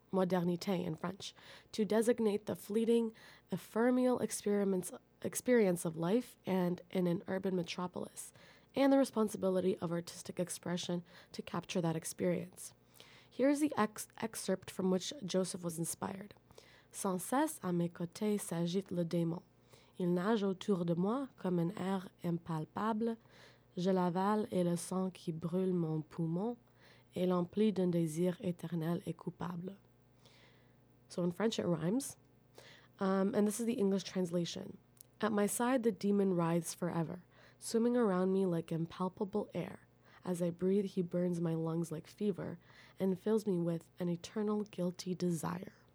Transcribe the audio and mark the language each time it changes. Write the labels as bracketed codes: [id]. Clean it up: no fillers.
[en] modernité in French, to designate the fleeting, ephemeral experience of life and in an urban metropolis, and the responsibility of artistic expression to capture that experience. Here is the excerpt from which Joseph was inspired. [fr] Sans cesse à mes côtés s'agite le démon. Il nage autour de moi comme un air impalpable. Je l'avale et le sang qui brûle mon poumon et l'emplit d'un désir éternel et coupable. [en] So in French it rhymes. And this is the English translation. At my side the demon writhes forever, swimming around me like impalpable air. As I breathe, he burns my lungs like fever and fills me with an eternal guilty desire.